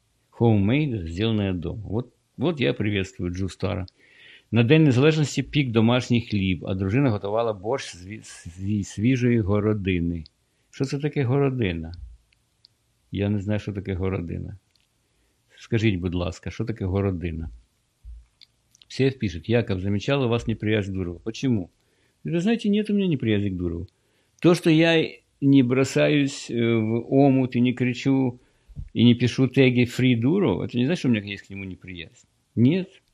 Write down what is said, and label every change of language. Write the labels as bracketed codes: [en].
[ru] Homemade – сделанная дома. Вот я приветствую Джустара. [uk] На День Незалежності пік домашній хліб, а дружина готувала борщ зі свіжої городини. Що це таке городина? Я не знаю, що таке городина. Скажіть, будь ласка, що таке городина? [ru] Все пишуть, Яков, замечал у вас неприязнь к Дурову. Почему? Вы знаете, нет у меня неприязни к Дурову. То, что я не бросаюсь в омут и не кричу, и не пишу теги «фри Дуров», это не значит, что у меня есть к нему неприязнь. Нет.